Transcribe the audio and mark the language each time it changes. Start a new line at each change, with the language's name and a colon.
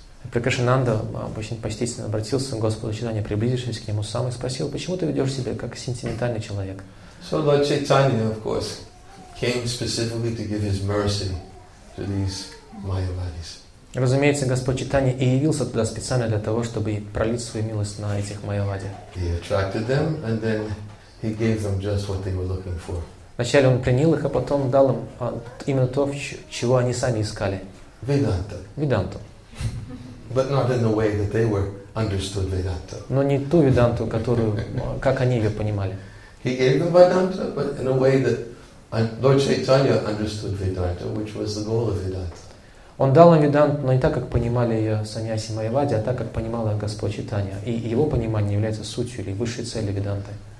Russian: Прикашинанда очень почтительно обратился к Господу Чайтанья, приблизившись к нему сам, и спросил, почему ты ведешь себя как сентиментальный человек?
English: So Lord Chaitanya, of course, came specifically to give his mercy to these Mayavadis.
Russian: Разумеется, Господь Чайтанья и явился туда специально для того, чтобы пролить свою милость на этих Майявади.
English: He attracted them, and then he gave them just what they were looking for.
Russian: Вначале он принял их, а потом дал им именно то, чего они сами искали. Веданту. Веданту.
English: But not in the way that they were understood Vedanta.
Russian: Но не ту Веданту, которую, как они ее понимали.
English: He gave them Vedanta, but in a way that Lord Chaitanya understood Vedanta, which was the goal of Vedanta.
Russian: Он дал им Веданту, но не так, как понимали ее саньяси Майявади, а так, как понимал ее Господь Чайтанья. И его понимание является сутью или высшей целью Веданты.